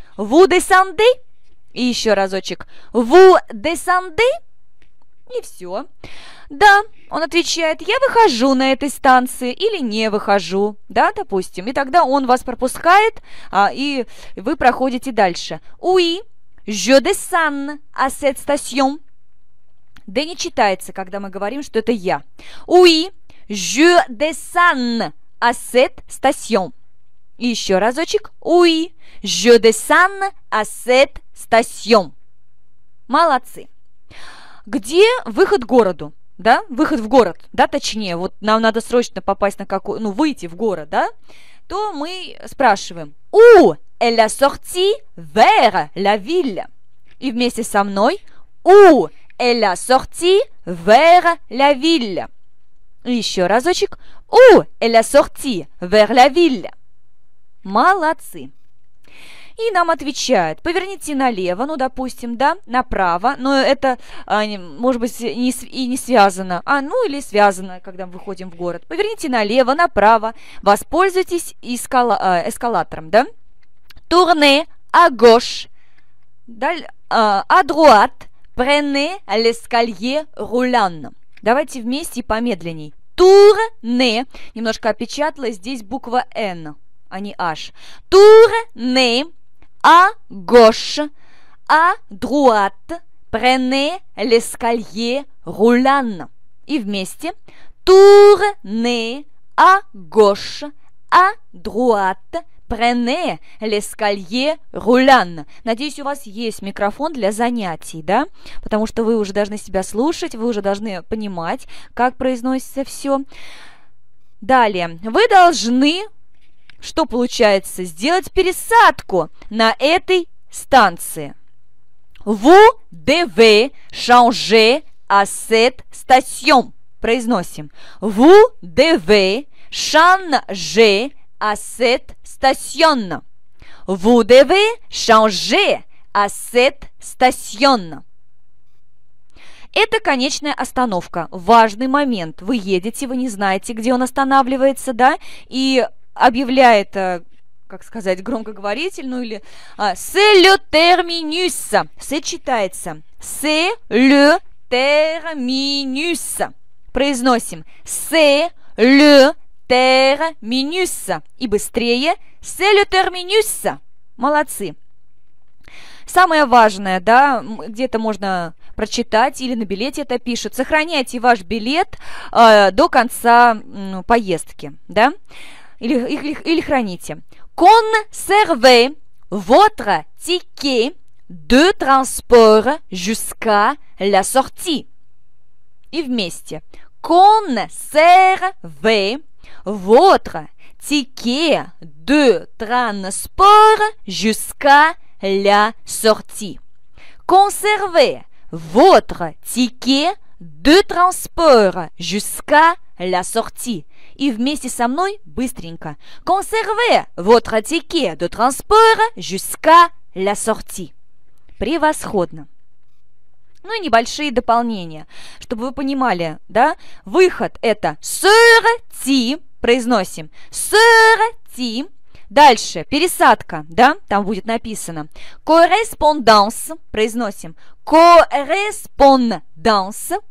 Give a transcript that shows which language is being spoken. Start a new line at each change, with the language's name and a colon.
Russian: «Ву де Санды». И еще разочек. «Ву де Санды». И все. Да, он отвечает: я выхожу на этой станции или не выхожу, да, допустим. И тогда он вас пропускает, и вы проходите дальше.
French: Oui, je descends à cette station.
Russian: Да не читается, когда мы говорим, что это я.
French: Oui, je descends à cette station.
Russian: И еще разочек.
French: Oui, je descends à cette station.
Russian: Молодцы. Где выход к городу? Да, выход в город, да, точнее, вот нам надо срочно попасть на какой, ну, выйти в город, да, то мы спрашиваем
French: «У est la sortie vers la ville?»
Russian: И вместе со мной
French: «У est la sortie vers la ville?»
Russian: И еще разочек
French: «У est la sortie vers la ville?»
Russian: Молодцы! И нам отвечают: поверните налево, ну, допустим, да, направо, но это, может быть, не связано, ну, или связано, когда мы выходим в город. Поверните налево, направо, воспользуйтесь эскалатором, да.
French: Tournez à gauche, à droite, prenez l'escalier roulant.
Russian: Давайте вместе и помедленней. Tournez, немножко опечатала, здесь буква N, а не H.
French: Tournez à gauche, à droite, prenez l'escalier roulant.
Russian: И вместе.
French: Tournez à gauche, à droite, prenez l'escalier roulant.
Russian: Надеюсь, у вас есть микрофон для занятий, да? Потому что вы уже должны себя слушать, вы уже должны понимать, как произносится все. Далее. Вы должны... Что получается? Сделать пересадку на этой станции.
French: Vous devez changer à cette station.
Russian: Произносим.
French: Vous devez changer à cette station. Vous devez changer à cette station.
Russian: Это конечная остановка. Важный момент. Вы едете, вы не знаете, где он останавливается, да? И... объявляет, как сказать, громкоговоритель, ну или
French: «c'est le terminus». «C'est»
Russian: читается
French: «c'est le terminus».
Russian: Произносим
French: «c'est le terminus».
Russian: И быстрее
French: «c'est le terminus».
Russian: Молодцы. Самое важное, да, где-то можно прочитать, или на билете это пишут. Сохраняйте ваш билет до конца поездки, да? Или храните.
French: Conservez votre ticket de transport jusqu'à la sortie.
Russian: И вместе.
French: Conservez votre ticket de transport jusqu'à la sortie. Conservez votre ticket de transport jusqu'à la sortie.
Russian: И вместе со мной быстренько.
French: Conservez votre ticket de transport jusqu'à la sortie.
Russian: Превосходно. Ну и небольшие дополнения, чтобы вы понимали, да? Выход это sorti, произносим sorti. Дальше пересадка, да? Там будет написано correspondance, произносим correspondance.